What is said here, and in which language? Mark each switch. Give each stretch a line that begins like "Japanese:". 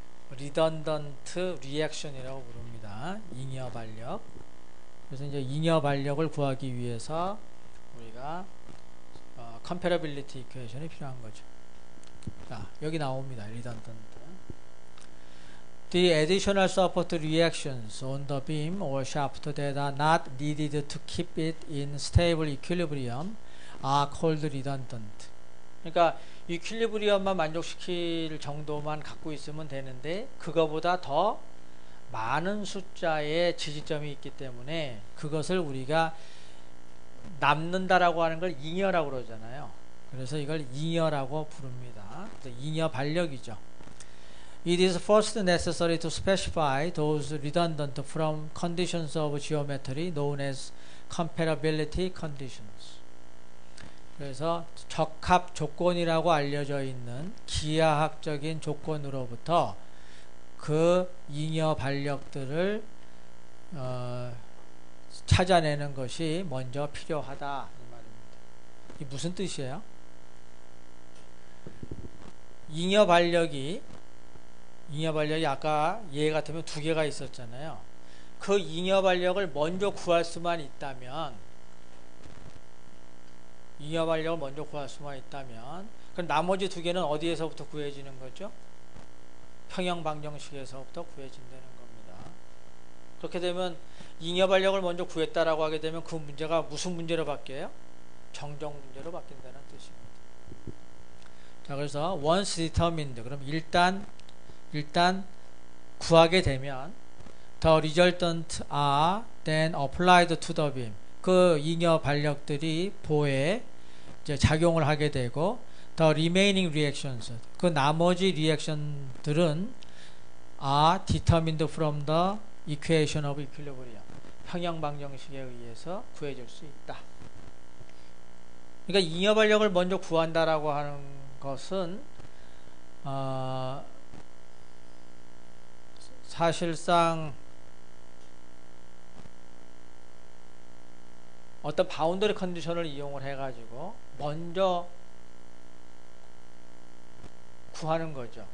Korean: redundant reaction이라고 부릅니다. 잉여 반력. 그래서 이제 잉여 반력을 구하기 위해서 우리가 comparability equation이 필요한 거죠. 자, 여기 나옵니다. redundant.
English: The additional support reactions on the beam or shaft that are not needed to keep it in stable equilibrium are called redundant.
Korean: 그러니까 이퀼리브리엄만 만족시킬 정도만 갖고 있으면 되는데 그거보다 더 많은 숫자의 지지점이 있기 때문에 그것을 우리가 남는다라고 하는 걸 잉여라고 그러잖아요. 그래서 이걸 잉여라고 부릅니다. 잉여 반력이죠.
English: It is first necessary to specify those redundant from conditions of geometry known as comparability conditions.
Korean: 그래서 적합 조건이라고 알려져 있는 기하학적인 조건으로부터 그 잉여 반력들을 찾아내는 것이 먼저 필요하다 이 말입니다. 이 무슨 뜻이에요? 잉여 반력이 아까 예 같으면 두 개가 있었잖아요. 그 잉여 반력을 먼저 구할 수만 있다면, 잉여 반력을 먼저 구할 수만 있다면, 그럼 나머지 두 개는 어디에서부터 구해지는 거죠? 평형 방정식에서부터 구해진다는 겁니다. 그렇게 되면 잉여 반력을 먼저 구했다라고 하게 되면 그 문제가 무슨 문제로 바뀌어요? 정정 문제로 바뀐다는 뜻입니다. 자, 그래서
English: once determined,
Korean: 그럼 일단 구하게 되면
English: the resultant are then applied to the beam.
Korean: 그 잉여 반력들이 보에 이제 작용을 하게 되고
English: the remaining reactions,
Korean: 그 나머지 리액션들은
English: are determined from the equation of equilibrium.
Korean: 평형 방정식에 의해서 구해질 수 있다. 그러니까 잉여 반력을 먼저 구한다라고 하는 것은 사실상 어떤 바운더리 컨디션을 이용을 해가지고 먼저 구하는 거죠.